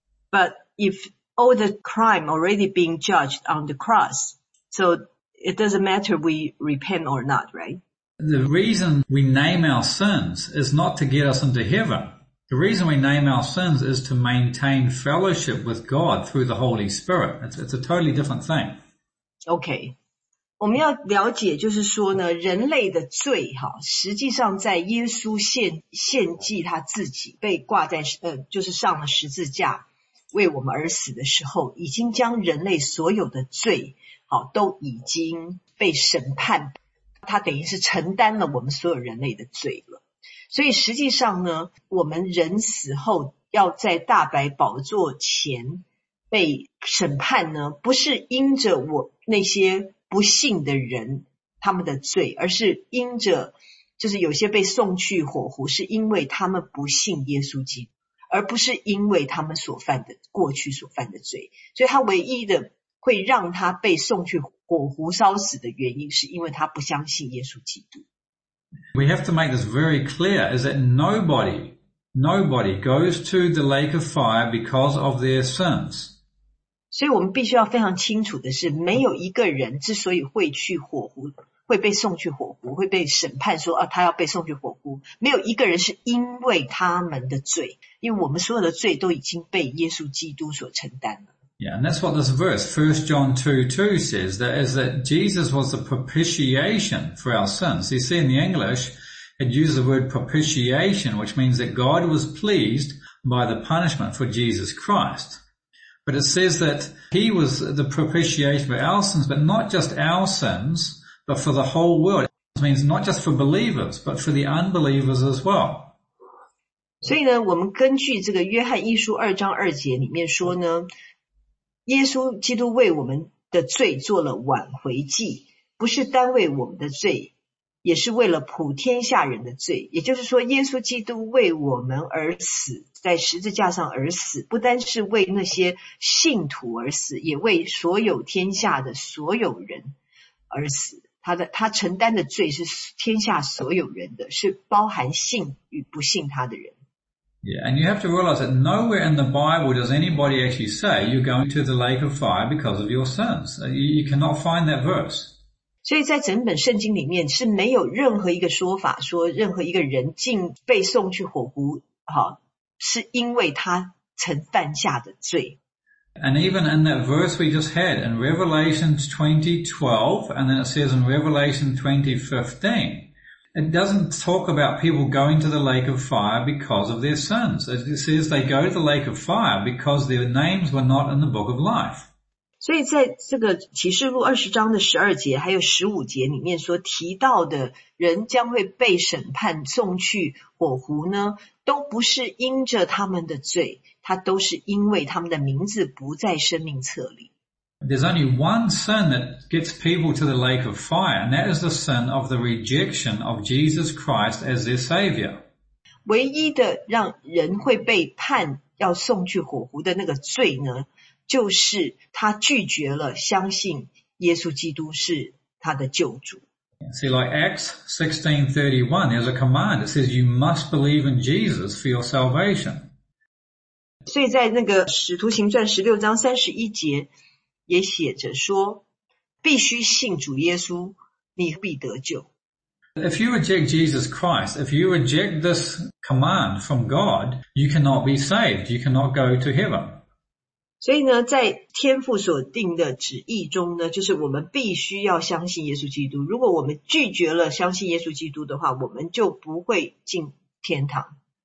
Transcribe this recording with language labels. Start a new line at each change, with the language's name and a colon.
English: But if all the crime already being judged on the cross, so it doesn't matter we repent or not, right? The reason we name our sins is not to get us into heaven. The reason we name our sins is to maintain fellowship with God through the Holy Spirit. It's a totally different thing. Okay.
Chinese: 我们要了解就是说呢，人类的罪哈，实际上在耶稣献祭他自己被挂在就是上了十字架为我们而死的时候，已经将人类所有的罪好都已经被审判，他等于是承担了我们所有人类的罪了。所以实际上呢，我们人死后要在大白宝座前被审判呢，不是因着我那些不信的人他们的罪，而是因着就是有些被送去火湖是因为他们不信耶稣基督，而不是因为他们所犯的过去所犯的罪。所以他唯一的会让他被送去火湖烧死的原因是因为他不相信耶稣基督。
English: We have to make this very clear, is that nobody goes to the lake of fire because of their sins.
Chinese: 所以我们必须要非常清楚的是，没有一个人之所以会去火湖，会被送去火湖，会被审判说，他要被送去火湖，没有一个人是因为他们的罪，因为我们所有的罪都已经被耶稣基督所承担了。
English: Yeah, and that's what this verse, 1 John 2:2 says, that is that Jesus was the propitiation for our sins. You see, in the English, it uses the word propitiation, which means that God was pleased by the punishment for Jesus Christ. But it says that he was the propitiation for our sins, but not just our sins, but for the whole world. It means not just for believers, but for the unbelievers as well.
Chinese: 所以呢，我们根据这个约翰一书二章二节里面说呢，耶稣基督为我们的罪做了挽回祭，不是单为我们的罪，也是为了普天下人的罪。也就是说，耶稣基督为我们而死，在十字架上而死，不单是为那些信徒而死，也为所有天下的所有人而死。他承担的罪是天下所有人的，是包含信与不信他的人。
English: Yeah, and you have to realize that nowhere in the Bible does anybody actually say you're going to the lake of fire because of your sins. You cannot find that verse.
Chinese: 所以在整本圣经里面是没有任何一个说法说任何一个人竟被送去火湖是因为他曾犯下的罪。
English: And even in that verse we just had in Revelation 20:12, and then it says in Revelation 20:15, it doesn't talk about people going to the lake of fire because of their sins. It says they go to the lake of fire because their names were not in the book of life.
Chinese: 所以在这个启示录二十章的十二节还有十五节里面所提到的人将会被审判送去火湖呢，都不是因着他们的罪，他都是因为他们的名字不在生命册里。
English: There's only one sin that gets people to the lake of fire, and that is the sin of the rejection of Jesus Christ as their savior.
Chinese: 唯一的让人会被判要送去火湖的那个罪呢，就是他拒绝了相信耶稣基督是他的救主。
English: See, like Acts 16:31, there's a command. It says you must believe in Jesus for your salvation.
Chinese: 所以在那个使徒行传16章31节也写着说，必须信主耶稣，你必得救。
English: If you reject Jesus Christ, if you reject this command from God, you cannot be saved. You cannot go to heaven.
Chinese: 所以呢，在天父所定的旨意中呢，就是我们必须要相信耶稣基督。如果我们拒绝了相信耶稣基督的话，我们就不会进天堂。